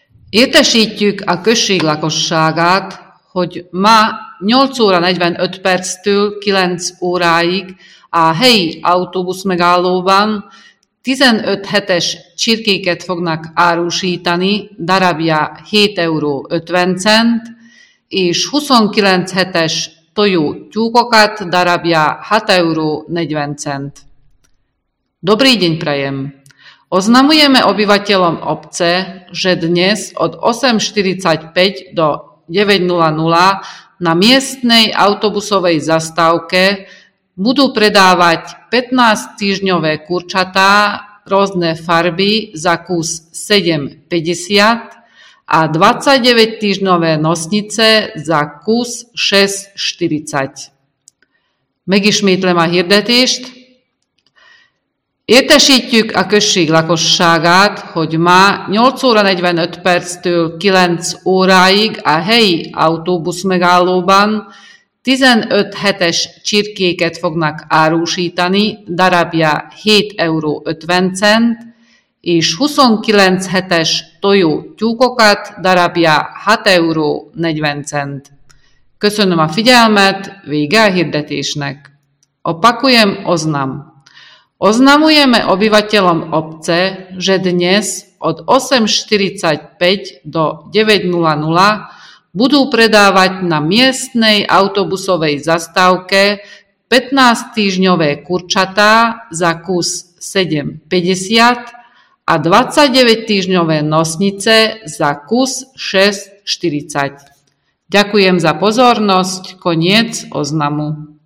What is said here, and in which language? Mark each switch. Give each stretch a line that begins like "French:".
Hungarian: Értesítjük a község lakosságát, hogy ma 8 óra 45 perctől 9 óráig a helyi autóbusz megállóban 15 hetes csirkéket fognak árusítani, darabja 7,50 €, és 29 hetes tojó tyúkokat, darabja 6,40 €.
Slovak: Dobrý deň prajem! Oznamujeme obyvateľom obce, že dnes od 8.45 do 9.00 na miestnej autobusovej zastávke budú predávať 15-týždňové kurčatá rôzne farby za kus 7,50 a 29-týždňové nosnice za kus 6,40.
Hungarian: Megismétlem a hirdetést. Értesítjük a község lakosságát, hogy ma 8 óra 45 perctől 9 óráig a helyi autóbusz megállóban 15 hetes csirkéket fognak árusítani, darabja 7,50 €, és 29 hetes tojó tyúkokat, darabja 6,40 €. Köszönöm a figyelmet, vége a hirdetésnek.
Slovak: Opakujem oznam. Oznamujeme obyvateľom obce, že dnes od 8.45 do 9.00 budú predávať na miestnej autobusovej zastávke 15-týždňové kurčatá za kus 7,50 a 29-týždňové nosnice za kus 6,40. Ďakujem za pozornosť. Koniec oznamu.